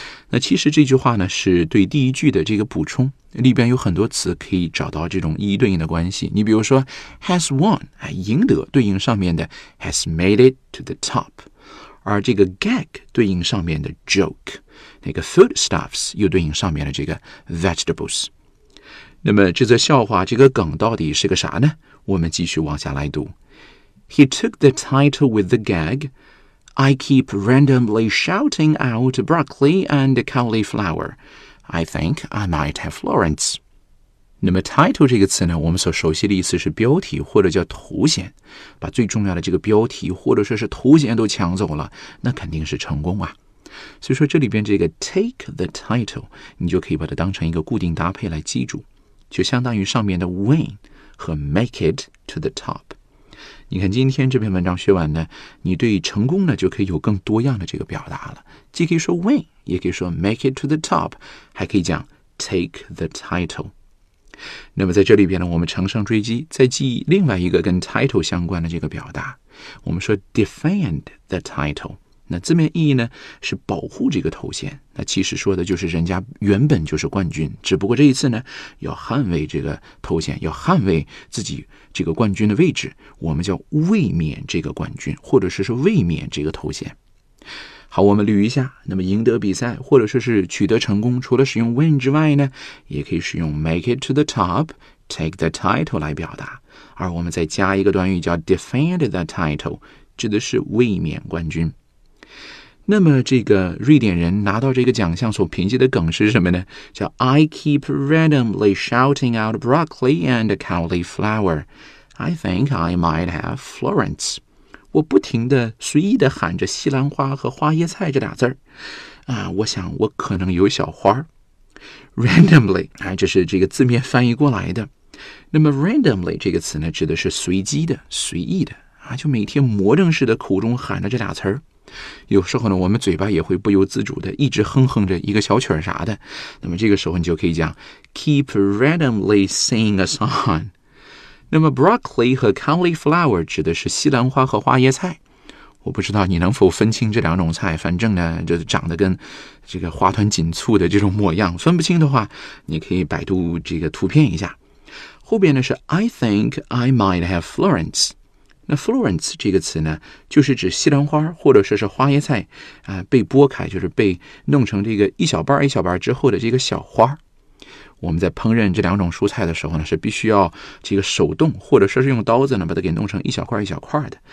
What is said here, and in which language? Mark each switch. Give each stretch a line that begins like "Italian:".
Chinese: 那其实这句话呢是对第一句的这个补充，里边有很多词可以找到这种一一对应的关系。你比如说
English: has won,
Chinese: 赢得对应上面的
English: has made it to the top,
Chinese: 而这个 gag 对应上面的 joke, 那个 foodstuffs 又对应上面的这个 vegetables。那么这则笑话这个梗到底是个啥呢？我们继续往下来读。
English: He took the title with the gag, I keep randomly shouting out broccoli and cauliflower. I think I might have Florence.
Chinese: 那么 title 这个词呢，我们所熟悉的意思是标题或者叫头衔，把最重要的这个标题或者说是头衔都抢走了，那肯定是成功啊。所以说这里边这个
English: take the title,
Chinese: 你就可以把它当成一个固定搭配来记住。就相当于上面的 win 和 make it to the top。你看今天这篇文章学完呢，你对成功呢就可以有更多样的这个表达了，既可以说 win 也可以说
English: make it to the top,
Chinese: 还可以讲
English: take the title。
Chinese: 那么在这里边呢，我们乘胜追击再记另外一个跟 title 相关的这个表达，我们说
English: defend the title。
Chinese: 那字面意义呢是保护这个头衔，那其实说的就是人家原本就是冠军，只不过这一次呢要捍卫这个头衔，要捍卫自己这个冠军的位置，我们叫卫冕这个冠军或者说是卫冕这个头衔。好，我们捋一下。那么赢得比赛或者说是取得成功，除了使用 win 之外呢，也可以使用
English: make it to the top, take the title
Chinese: 来表达，而我们再加一个短语叫
English: defend the title,
Chinese: 指的是卫冕冠军。那么这个瑞典人拿到这个奖项所凭借的梗是什么呢？叫
English: I keep randomly shouting out broccoli and cauliflower, I think I might have Florence。
Chinese: 我不停地随意地喊着西兰花和花椰菜这俩字儿，啊，我想我可能有小花。 Randomly, 这是这个字面翻译过来的。那么 randomly 这个词呢，指的是随机的、随意的，啊，就每天魔怔似的口中喊着这俩词儿。有时候呢，我们嘴巴也会不由自主的一直哼哼着一个小曲儿啥的。那么这个时候你就可以讲
English: keep randomly singing a song。
Chinese: 那么 broccoli 和 cauliflower 指的是西兰花和花椰菜。我不知道你能否分清这两种菜，反正呢就长得跟这个花团锦簇的这种模样，分不清的话你可以百度这个图片一下。后边呢是
English: I think I might have Florence。
Chinese: 那 Florence 这个词呢，就是指西兰花或者说是花椰菜，被剥开，就是被弄成这个一小瓣一小瓣之后的这个小花。我们在烹饪这两种蔬菜的时候呢，是必须要这个手动或者说是用刀子呢，把它给弄成一小块一小块的。